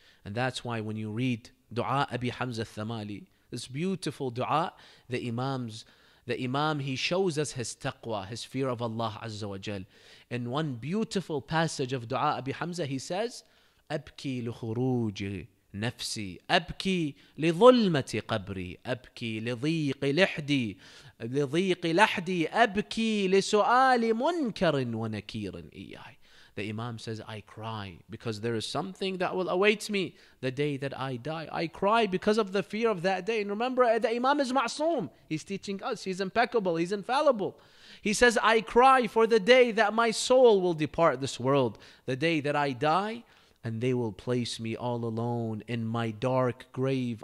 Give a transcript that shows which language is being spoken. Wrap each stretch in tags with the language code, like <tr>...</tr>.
<en>And that's why when you read Dua Abi Hamza al-Thamali, this beautiful dua, the Imam, he shows us his taqwa, his fear of Allah Azza wa Jal. In one beautiful passage of Dua Abi Hamza, he says,</en> <ar>أَبْكِي لُخُرُوجِهِ نفسي أبكي لظلمة قبري أبكي لضيق لحدي لضيق لحدي أبكي لسؤال منكر ونكير إياي.</ar> <en>The Imam says, I cry because there is something that will await me the day that I die. I cry because of the fear of that day. And remember, the Imam is ma'soom. He's teaching us. He's impeccable. He's infallible. He says, I cry for the day that my soul will depart this world, the day that I die, and they will place me all alone in my dark grave.</en>